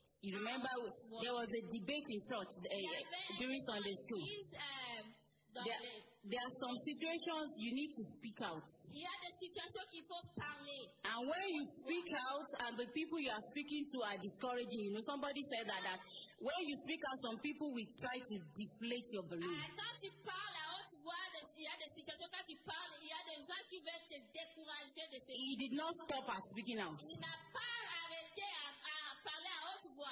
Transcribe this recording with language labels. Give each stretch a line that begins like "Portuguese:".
English: You remember, there was a debate in church during Sunday school. There are some situations you need to speak out.
French: Il y a des situations qu'il faut parler.
English: And when you speak out and the people you are speaking to are discouraging, you know, somebody said that when you speak out, some people will try to deflate your belief.
French: Quand tu parles, alors tu vois, il y a des situations, quand tu parles, il y a des gens qui veulent te décourager de ces...
English: He did not stop at speaking out.
French: Il n'a pas arrêté à parler à haute voix.